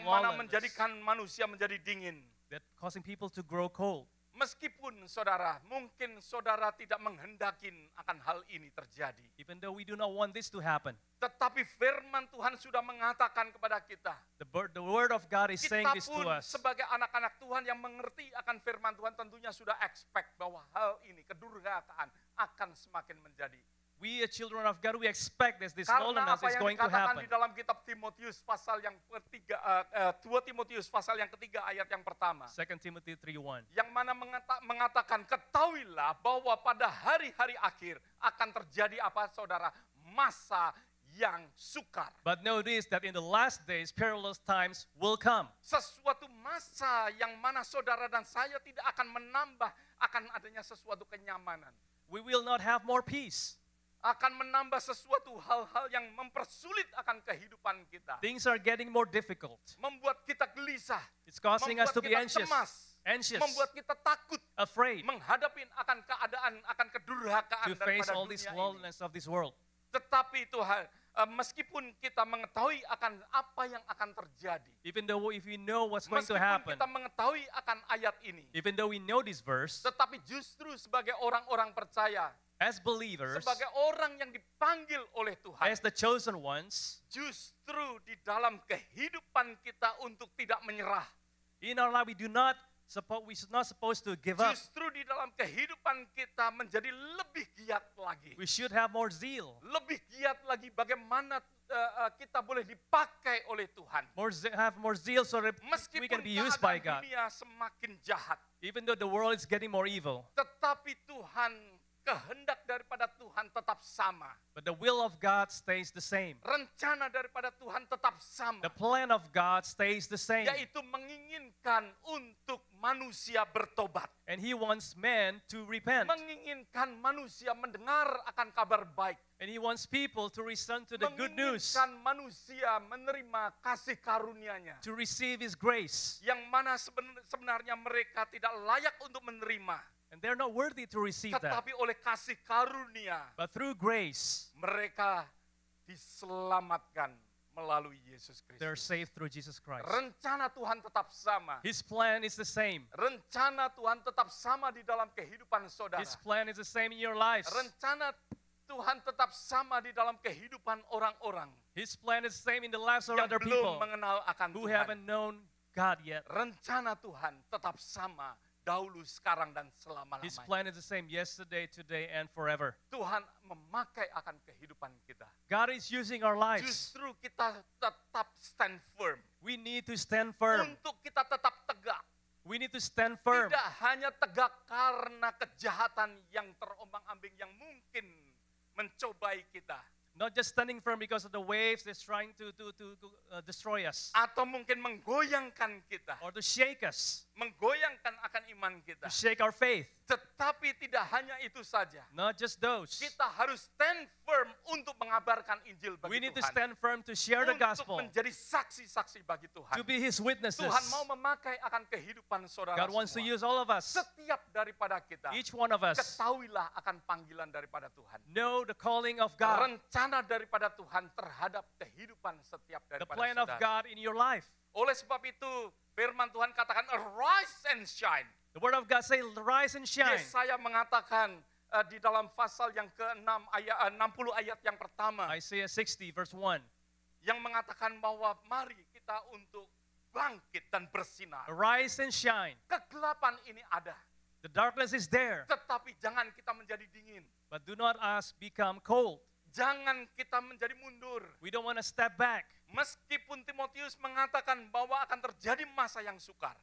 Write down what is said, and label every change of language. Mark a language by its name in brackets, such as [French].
[English] lawlessness. [Indonesian] Yang mana menjadikan manusia menjadi dingin. [English] That causing people to grow cold. [Indonesian] Meskipun saudara, mungkin saudara tidak menghendakin akan hal ini terjadi. [English] Even though we do not want this to happen. [Indonesian] Tetapi firman Tuhan sudah mengatakan kepada kita. [English] The word of God is saying this to us. [Indonesian] Kita pun sebagai anak-anak Tuhan yang mengerti akan firman Tuhan tentunya sudah expect bahwa hal ini, kedurhakaan akan semakin menjadi. [English] We are children of God, we expect that this lawlessness is going to happen. [Indonesian] Di dalam kitab Timotius pasal yang ketiga, 2 Timotius pasal yang ketiga ayat yang pertama. [English] 2 Timothy 3:1. [Indonesian] Yang mana mengatakan ketahuilah bahwa pada hari-hari akhir akan terjadi apa saudara? Masa yang sukar. [English] But know this that in the last days perilous times will come. [Indonesian] Sesuatu masa yang mana saudara dan saya tidak akan menambah akan adanya sesuatu kenyamanan. [English] We will not have more peace. [Indonesian] Akan menambah sesuatu hal-hal yang mempersulit akan kehidupan kita. [English] Things are getting more difficult. [Indonesian] Membuat kita gelisah. [English] It's causing us to be anxious. [Indonesian] Cemas. [English] Anxious. [Indonesian] Membuat kita takut. [English] Afraid. [Indonesian] Menghadapi akan keadaan, akan kedurhakaan daripada dunia ini. [English] To face all this lawlessness of this world. [Indonesian] Tetapi Tuhan, meskipun kita mengetahui akan apa yang akan terjadi. [English] Even though if we know what's going to happen. [Indonesian] Meskipun kita mengetahui akan ayat ini. [English] Even though we know this verse. [Indonesian] Tetapi justru sebagai orang-orang percaya. [English] as believers, [Indonesian] sebagai orang yang dipanggil oleh Tuhan, [English] as the chosen ones, [Indonesian] justru di dalam kehidupan kita untuk tidak menyerah. [English] In our life, we should not supposed to give up. [Indonesian] Justru di dalam kehidupan kita menjadi lebih giat lagi. [English] We should have more zeal. [Indonesian] Lebih giat lagi bagaimana kita boleh dipakai oleh Tuhan. [English] Have more zeal so that [Indonesian] meskipun [English] we can be used by God. [Indonesian] Dunia semakin jahat. [English] Even though the world is getting more evil. [Indonesian] Tetapi Tuhan, kehendak daripada Tuhan tetap sama. [English] But the will of God stays the same. [Indonesian] Rencana daripada Tuhan tetap sama. [English] The plan of God stays the same. [Indonesian] Yaitu menginginkan untuk manusia bertobat. [English] And he wants men to repent. [Indonesian] Menginginkan manusia mendengar akan kabar baik. [English] And he wants people to listen to the good news. [Indonesian] Menginginkan manusia menerima kasih karunia-Nya. [English] To receive his grace. [Indonesian] Yang mana sebenarnya mereka tidak layak untuk menerima. [English] And they're not worthy to receive that. [Indonesian] Tetapi oleh kasih karunia. [English] But through grace. [Indonesian] Mereka diselamatkan melalui Yesus Kristus. [English] They're saved through Jesus Christ. [Indonesian] Rencana Tuhan tetap sama. [English] His plan is the same. [Indonesian] Rencana Tuhan tetap sama di dalam kehidupan saudara. [English] His plan is the same in your lives. [Indonesian] Rencana Tuhan tetap sama di dalam kehidupan orang-orang. [English] His plan is the same in the lives of other people. [Indonesian] Yang belum mengenal akan [English] who [Indonesian] Tuhan. [English] Who haven't known God yet. [Indonesian] Rencana Tuhan tetap sama. Dahulu, sekarang, dan selama-lamanya. [English] His plan is the same yesterday, today, and forever. [Indonesian] Tuhan memakai akan kehidupan kita. [English] God is using our lives. [Indonesian] Justru kita tetap [English] stand firm. We need to stand firm. [Indonesian] Untuk kita tetap tegak. [English] We need to stand firm. [Indonesian] Tidak hanya tegak karena kejahatan yang terombang-ambing yang mungkin mencobai kita. [English] Not just standing firm because of the waves that's trying to destroy us. [Indonesian] Atau mungkin menggoyangkan kita. [English] Or to shake us. [Indonesian] Menggoyangkan akan iman kita. [English] To shake our faith. [Indonesian] Tetapi tidak hanya itu saja. [English] Not just those. [Indonesian] Kita harus [English] stand firm [Indonesian] untuk mengabarkan Injil bagi Tuhan. [English] We need to stand firm to share the gospel. [Indonesian] Untuk menjadi saksi-saksi bagi Tuhan. [English] To be his witnesses. [Indonesian] Tuhan mau memakai akan kehidupan saudara [English] God wants [Indonesian] semua. [English] To use all of us. [Indonesian] Setiap daripada kita. [English] Each one of us. [Indonesian] Ketahuilah akan panggilan daripada Tuhan. [English] Know the calling of God. [Indonesian] Rencana daripada Tuhan terhadap kehidupan setiap daripada saudara. [English] The plan of God in your life. [Indonesian] Oleh sebab itu, firman Tuhan katakan, [English] arise and shine. The word of God say, rise and shine. [Indonesian] Yesaya mengatakan di dalam pasal yang ke-6 ayat 60 ayat yang pertama. [English] Isaiah 60 verse 1. [Indonesian] Yang mengatakan bahwa mari kita untuk bangkit dan bersinar. [English] Rise and shine. [Indonesian] Kegelapan ini ada. [English] The darkness is there. [Indonesian] Tetapi jangan kita menjadi dingin. [English] But do not us become cold. [Indonesian] Jangan kita menjadi mundur. [English] We don't want to step back. [Indonesian] Meskipun Timotius mengatakan bahwa akan terjadi masa yang sukar.